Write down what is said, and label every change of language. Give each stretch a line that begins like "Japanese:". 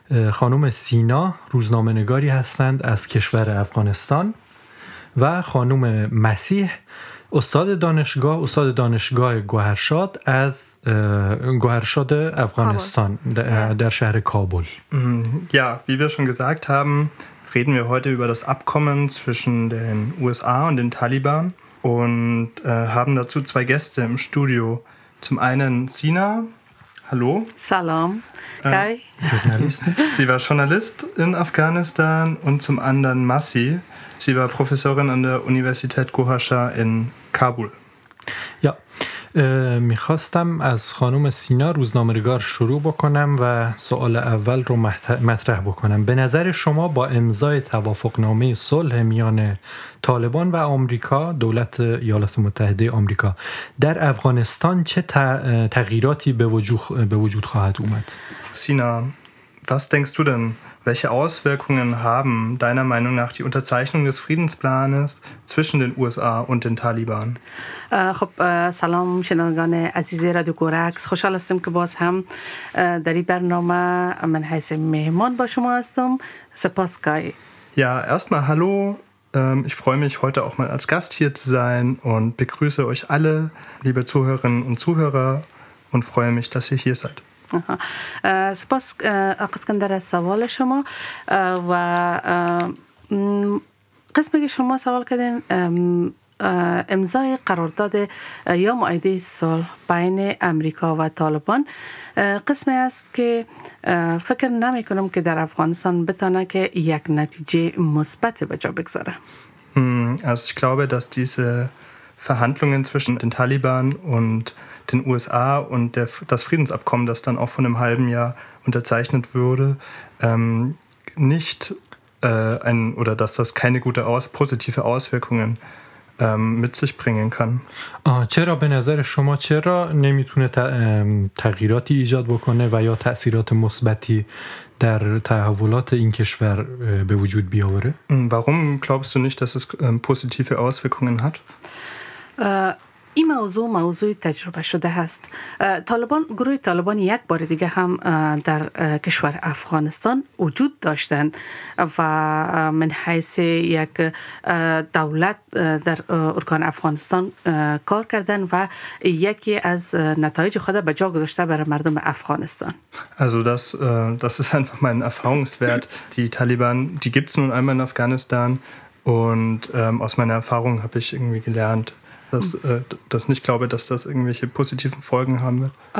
Persian: خانم سینا روزنامه نگاری هستند از کشور افغانستان و خانم مسیح استاد دانشگاه گوهرشاد از گوهرشاد افغانستان در شهر کابل.
German: Ja, wie wir schon gesagt haben, reden wir heute über das Abkommen zwischen den USA und den Taliban und haben dazu zwei Gäste im Studio. Zum einen Sina. Hallo.
Persian: Salam. Kai.
German: Sie war Journalist in Afghanistan und zum anderen Masih. Sie war Professorin an der Universität Gohashah in Kabul.
Persian: Ja, میخواستم از خانم سینا روزنامه‌نگار شروع بکنم و سوال اول رو مطرح بکنم. به نظر شما با امضای توافقنامه صلح میان طالبان و آمریکا، دولت ایالات متحده آمریکا، در افغانستان چه تغییراتی به وجود خواهد اومد؟
German: سینا، was denkst du denn? Welche Auswirkungen haben deiner Meinung nach die Unterzeichnung des Friedensplanes zwischen den USA und den Taliban?
Persian: خب سلام شنوندگان عزیز رادیو گوراکس، خوشحال هستم که باز هم در این برنامه من هستم، مهمان با شما هستم. سپاس گای.
German: Ja, erstmal hallo. Ich freue mich heute auch mal als Gast hier zu sein und begrüße euch alle, liebe Zuhörerinnen und Zuhörer und freue mich, dass ihr hier seid.
Persian: سپاس آقا اسکندر از سوال شما و قسمی که شما سوال کردین امضای قرارداد یا معاهده صلح بین امریکا و طالبان قسمی است که فکر نمی کنم که در افغانستان بتانه که یک نتیجه مثبت به جا بگذاره.
German: Also ich glaube, dass diese Verhandlungen zwischen den Taliban und den USA und das Friedensabkommen, das dann auch vor einem halben Jahr unterzeichnet wurde, dass das keine gute positive Auswirkungen mit sich bringen kann.
Persian: چرا به نظر شما چرا نمیتونه تغییراتی ایجاد بکنه و یا تأثیرات مثبتی در تحولات این کشور به وجود بیاوره؟
German: Warum glaubst du nicht, dass es positive Auswirkungen hat?
Persian: این موضوع تجربه شده هست. گروه طالبان یک بار دیگه هم در کشور افغانستان وجود داشتند و من حیث یک دولت در ارکان افغانستان کار کردند و یکی از نتایج خود به جا گذاشته برای مردم افغانستان.
German: Also das ist einfach mein Erfahrungswert. Die Taliban, die gibt's nun einmal in Afghanistan und aus meiner Erfahrung habe ich irgendwie gelernt, dass nicht glaube, dass das irgendwelche positiven Folgen haben wird.